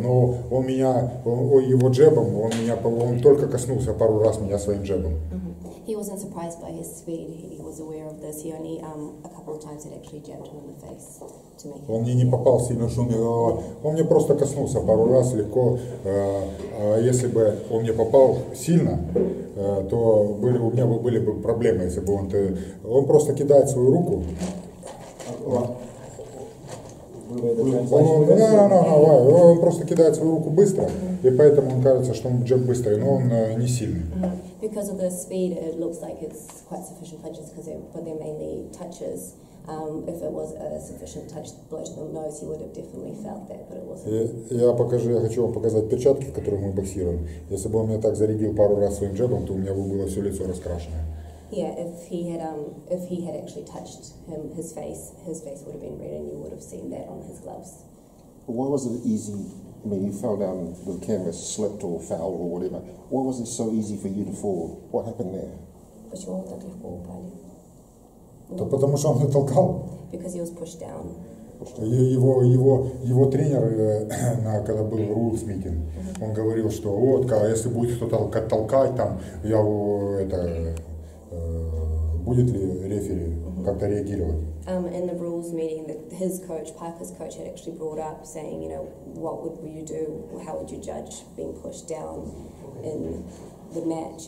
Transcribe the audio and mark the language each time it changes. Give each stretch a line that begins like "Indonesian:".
Russian: Но он меня, его джебом, он только коснулся пару раз меня своим джебом.
English: He wasn't surprised by his speed. He was aware of this. He only a couple of times had actually jabbed him in the face to make.
Russian: Он мне не попал сильно, что он мне просто коснулся пару раз легко. Если бы он мне попал сильно, то были у меня были бы проблемы, если бы он просто кидает свою руку. Он просто кидает свою руку быстро, и поэтому он кажется, что он джеб быстрый, но он не сильный.
English: Because of the speed, it looks like it's quite sufficient punches, because but they're mainly touches. If it was a sufficient touch blow to the nose, he would have definitely felt that, but it wasn't.
Russian: Я хочу вам показать перчатки, в которых мы боксируем. Если бы он меня так зарядил пару раз своим джебом, то у меня бы было все лицо раскрашено.
English: Yeah, if he had actually touched him, his face would have been red, and you would have seen that on his gloves. Why was it easy? I mean, you fell down the canvas, slipped or fell or whatever. Why was it so easy for you to fall? What happened there?
Russian: Почему он так легко упал? Да потому что он меня толкал.
English: Because he was pushed down.
Russian: Его тренер, когда был
English: rules meeting,
Russian: он говорил, что вот, если будет кто-то толкать там, я будет ли рефери как-то реагировать?
English: In the rules meeting, his coach, Parker's coach, had actually brought up saying, you know, what would you do? How would you judge being pushed down in the match?